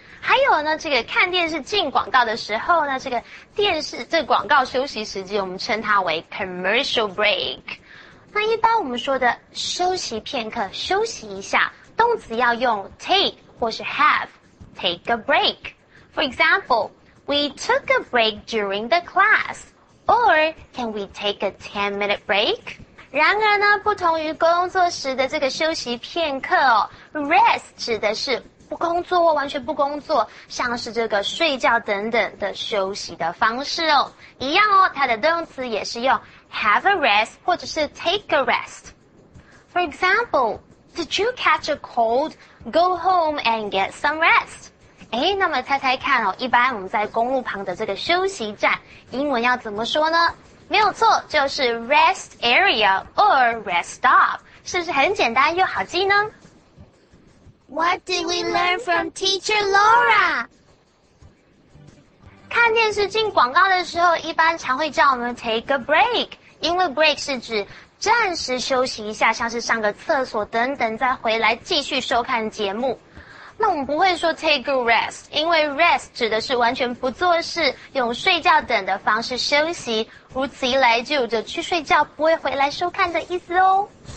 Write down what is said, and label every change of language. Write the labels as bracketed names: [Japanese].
[Chinese] 还有呢，这个看电视进广告的时候呢，这个电视这广告休息时间，我们称它为 commercial break。那一般我们说的休息片刻，休息一下，动词要用 take 或是 have, [English] take a break. For example, we took a break during the class, or can we take a 10-minute break? [Chinese] 然而呢，不同于工作时的这个休息片刻哦 ，rest 指的是不工作或完全不工作，像是这个睡觉等等的休息的方式哦。一样哦，它的动词也是用 [English] have a rest [Chinese] 或者是 [English] take a rest。 For example, did you catch a cold? Go home and get some rest. [Chinese] 诶，那么猜猜看哦，一般我们在公路旁的这个休息站，英文要怎么说呢？没有错，就是 [English] rest area or rest stop， [Chinese] 是不是很简单又好记呢？ [English] What did we learn from teacher Laura？ [Chinese] 看电视进广告的时候，一般常会叫我们 [English] take a break， [Chinese] 因为 break 是指暂时休息一下，像是上个厕所等等，再回来继续收看节目。那我们不会说 [English] take a rest， [Chinese] 因为 rest 指的是完全不做事，用睡觉等的方式休息，如此一来就有着去睡觉不会回来收看的意思哦。